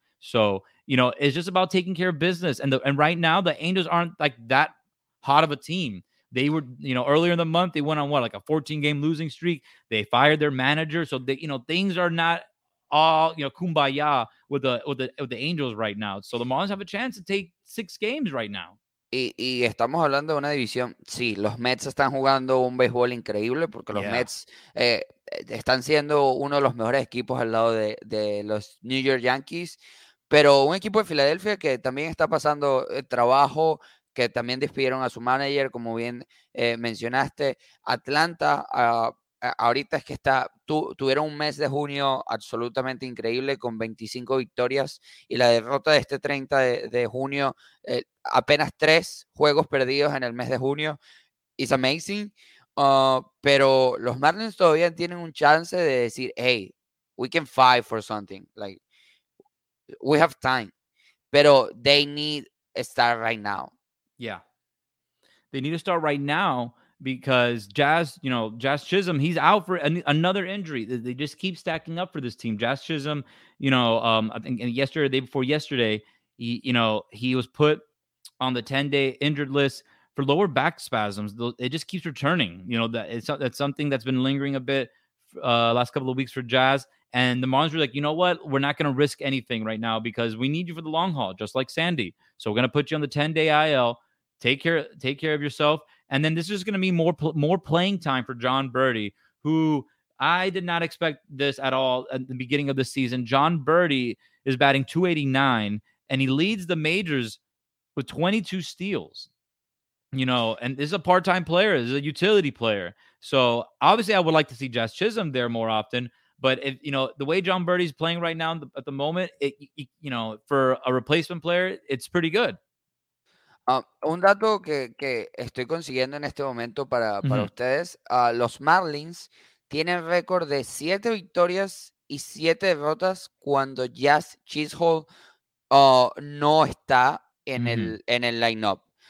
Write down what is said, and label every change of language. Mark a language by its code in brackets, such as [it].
[en] So, you know, it's just about taking care of business. And right now, the Angels aren't like that hot of a team. They were, you know, earlier in the month, they went on what, like a 14-game losing streak. They fired their manager. So, things are not all, you know, kumbaya with the Angels right now. So the Marlins have a chance to take 6 games right now. [es] Y estamos hablando de una división, sí, los Mets están jugando un béisbol increíble porque los Mets están siendo uno de los mejores equipos al lado de los New York Yankees, pero un equipo de Filadelfia que también está pasando trabajo, que también despidieron a su manager, como bien mencionaste, Atlanta, ahorita es que tuvieron un mes de junio absolutamente increíble con 25 victorias y la derrota de este 30 de junio, apenas 3 juegos perdidos en el mes de junio, is amazing, pero los Marlins todavía tienen un chance de decir, hey, we can fight for something, like, we have time, pero they need to start right now. [en] Yeah, they need to start right now. Because Jazz Chisholm, he's out for another injury. They just keep stacking up for this team. Jazz Chisholm, you know, I think the day before yesterday, he was put on the 10-day injured list for lower back spasms. It just keeps returning. You know, that's something that's been lingering a bit last couple of weeks for Jazz. And the Marlins were like, you know what? We're not going to risk anything right now because we need you for the long haul, just like Sandy. So we're going to put you on the 10-day IL. Take care of yourself. And then this is going to be more playing time for John Birdie, who I did not expect this at all at the beginning of the season. John Birdie is batting .289, and he leads the majors with 22 steals. You know, and this is a part-time player. This is a utility player. So, obviously, I would like to see Jazz Chisholm there more often. But, if you know, the way John Birdie's playing right now at the moment, for a replacement player, it's pretty good. [es] Un dato que estoy consiguiendo en este momento para mm-hmm. ustedes, los Marlins tienen récord de 7 victorias y 7 derrotas cuando Jazz Chisholm no está en mm-hmm. el lineup.